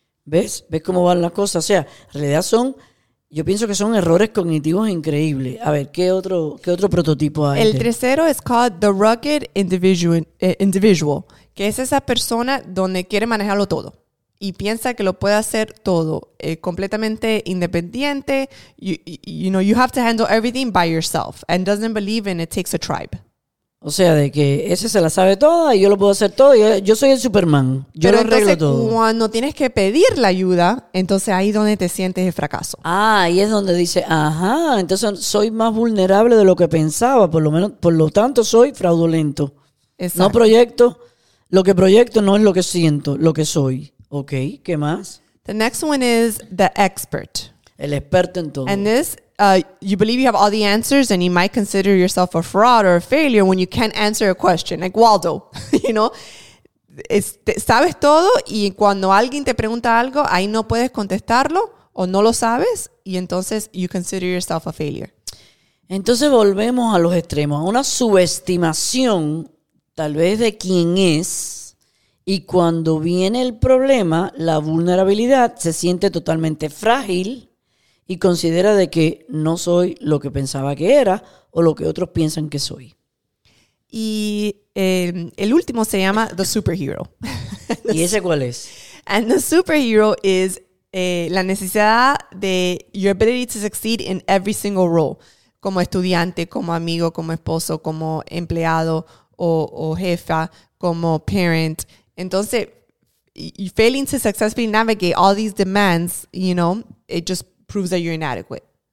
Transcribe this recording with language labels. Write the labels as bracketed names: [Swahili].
[Spanish] ¿Ves cómo van las cosas? O sea, en realidad yo pienso que son errores cognitivos increíbles. A ver, ¿qué otro prototipo hay? El tercero es [English] called the rugged individual, [Spanish] que es esa persona donde quiere manejarlo todo. Y piensa que lo puede hacer todo, completamente independiente. [English] You know, you have to handle everything by yourself. And doesn't believe in it takes a tribe. [Spanish] O sea, de que ese se la sabe toda y yo lo puedo hacer todo. Yo soy el Superman. Yo Pero lo arreglo todo. Cuando tienes que pedir la ayuda, entonces ahí es donde te sientes el fracaso. Ah, ahí es donde dice, ajá, entonces soy más vulnerable de lo que pensaba. Por lo tanto, soy fraudulento. Exacto. No proyecto. Lo que proyecto no es lo que siento, lo que soy. Okay, ¿qué más? [English] The next one is the expert. [Spanish] El experto en todo. [English] And this, you believe you have all the answers and you might consider yourself a fraud or a failure when you can't answer a question. Like Waldo, you know? [Spanish] Sabes todo y cuando alguien te pregunta algo, ahí no puedes contestarlo o no lo sabes y entonces [English] you consider yourself a failure. [Spanish] Entonces volvemos a los extremos. Una subestimación, tal vez, de quién es. Y cuando viene el problema, la vulnerabilidad se siente totalmente frágil y considera de que no soy lo que pensaba que era o lo que otros piensan que soy. Y el último se llama The Superhero. ¿Y ese cuál es? [English] And The Superhero is [Spanish] la necesidad de [English] your ability to succeed in every single role. [Spanish] Como estudiante, como amigo, como esposo, como empleado o jefa, como parent. [English] Entonces, failing to successfully navigate all these demands, you know, it just proves that you're inadequate.